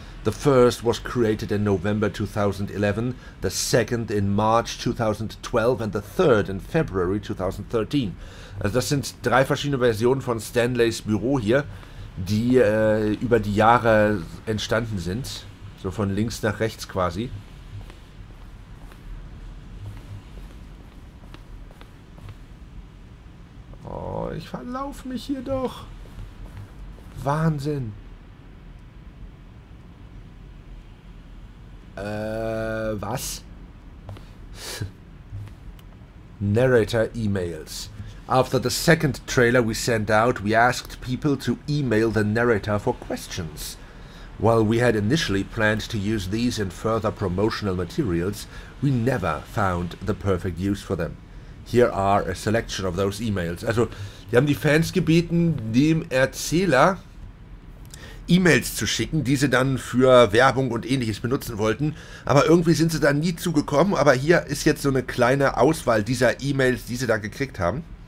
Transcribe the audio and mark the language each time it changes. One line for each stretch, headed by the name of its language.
English: The first was created in November 2011, the second in March 2012 and the third in February 2013.
German: Also das sind drei verschiedene Versionen von Stanley's Büro hier, die über die Jahre entstanden sind. So von links nach rechts quasi. Oh, ich verlauf mich hier doch. Wahnsinn. Was?
English: Narrator emails. After the second trailer we sent out, we asked people to email the narrator for questions. While we had initially planned to use these in further promotional materials, we never found the perfect use for them. Here are a selection of those emails.
German: Also, die haben die Fans gebeten, dem Erzähler E-Mails zu schicken, die sie dann für Werbung und ähnliches benutzen wollten. Aber irgendwie sind sie da nie zugekommen. Aber hier ist jetzt so eine kleine Auswahl dieser E-Mails, die sie da gekriegt haben.